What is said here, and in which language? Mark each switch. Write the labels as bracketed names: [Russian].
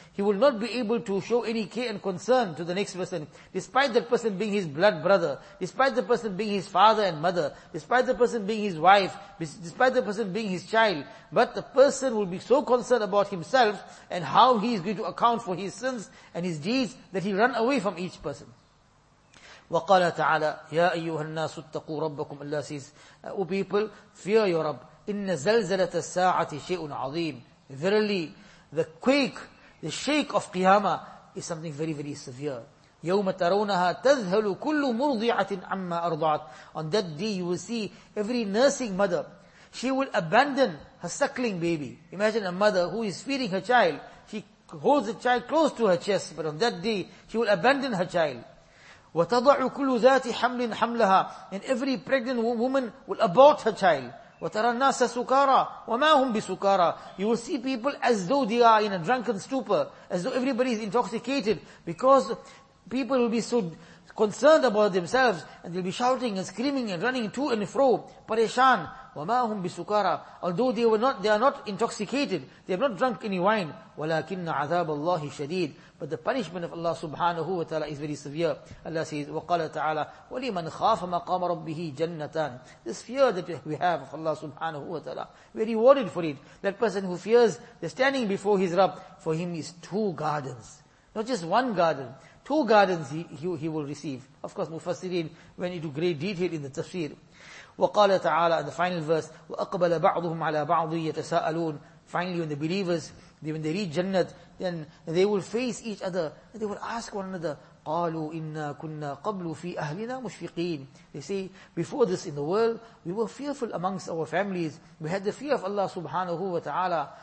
[English] He will not be able to show any care and concern to the next person, despite that person being his blood brother, despite the person being his father and mother, despite the person being his wife, despite the person being his child. But the person will be so concerned about himself and how he is going to account for his sins and his deeds that he run away from each person. [Arabic] وقال تعالى يا أيها الناس اتقوا ربكم. [English] Allah says, O people, fear your Rabb. [Arabic] إن زلزلة الساعة شيء عظيم. [English] Verily, the quake, the shake of Qiyamah is something very, very severe. [Arabic] يوم ترونها تذهل كل مرضعة عما أرضعت. [English] On that day you will see every nursing mother, she will abandon her suckling baby. Imagine a mother who is feeding her child. She holds the child close to her chest, but on that day she will abandon her child. [Arabic] وَتَضَعُ كُلُّ ذَاتِ حَمْلٍ حَمْلَهَا. [English] And every pregnant woman will abort her child. [Arabic] وَتَرَى النَّاسَ سُكَارَى وَمَا هُمْ بِسُكَارَى. [English] You will see people as though they are in a drunken stupor, as though everybody is intoxicated, because people will be so concerned about themselves, and they'll be shouting and screaming and running to and fro, parishan. [Arabic] وَمَا هُمْ بِسُكَارَى. [English] Although they are not intoxicated, they have not drunk any wine. [Arabic] وَلَكِنَّ عَذَابَ اللَّهِ شَدِيدٌ. [English] But the punishment of Allah subhanahu wa ta'ala is very severe. Allah says, [Arabic] وَقَالَ تَعَالَى وَلِمَنْ خَافَ مَقَامَ رَبِّهِ جَنَّتَانِ. [English] This fear that we have of Allah subhanahu wa ta'ala, we are rewarded for it. That person who fears the standing before his Rabb, for him is two gardens. Not just one garden. Two gardens he will receive. Of course, Mufassirin went into great detail in the tafsir. [Arabic] وَقَالَ تَعَالَى, [English] the final verse, [Arabic] وَأَقْبَلَ بَعْضُهُمْ عَلَى بَعْضٍ يَتَسَاءَلُونَ. [English] Finally, when the believers, when they reach Jannat, then they will face each other, and they will ask one another, [Arabic] قَالُوا إِنَّا كُنَّا قَبْلُ فِي أَهْلِنَا مُشْفِقِينَ. [English] They say, before this in the world, we were fearful amongst our families. We had the fear of Allah subhanahu wa ta'ala.